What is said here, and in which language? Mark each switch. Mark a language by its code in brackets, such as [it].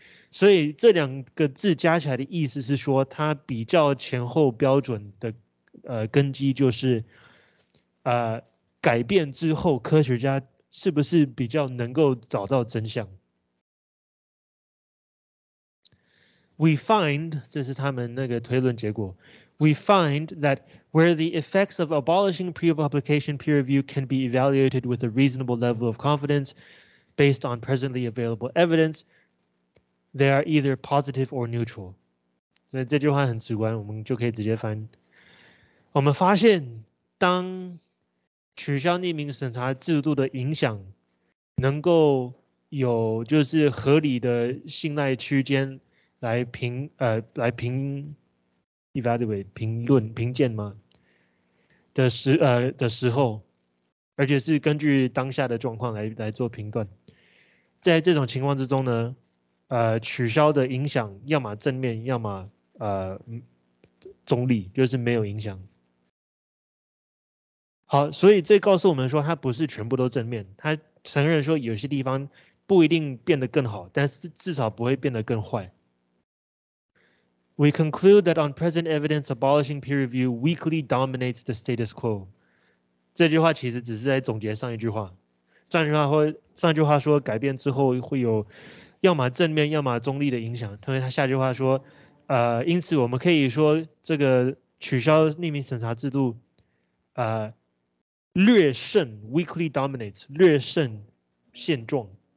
[zh] 所以这两个字加起来的意思是说，它比较前后标准的根基就是，改变之后科学家是不是比较能够找到真相？ [en] We find， [zh] 这是他们那个推论结果。 [en] We find that where the effects of abolishing pre-publication peer review can be evaluated with a reasonable level of confidence based on presently available evidence, they are either positive or neutral。 [zh] 所以这句话很直观，我们就可以直接翻。我们发现，当取消匿名审查制度的影响能够有就是合理的信赖区间来评来评。 evaluate 评论评鉴吗？的时候，而且是根据当下的状况来做评断。在这种情况之中呢，取消的影响要么正面，要么中立，就是没有影响。好，所以这告诉我们说，它不是全部都正面。它承认说有些地方不一定变得更好，但是至少不会变得更坏。 [en] We conclude that on present evidence, abolishing peer review weakly dominates the status quo。 [zh] 这句话其实只是在总结上一句话。上句话说，改变之后会有要么正面，要么中立的影响。因为他下句话说，因此我们可以说，这个取消匿名审查制度，略胜 [en] weakly dominates [zh] 略胜现状。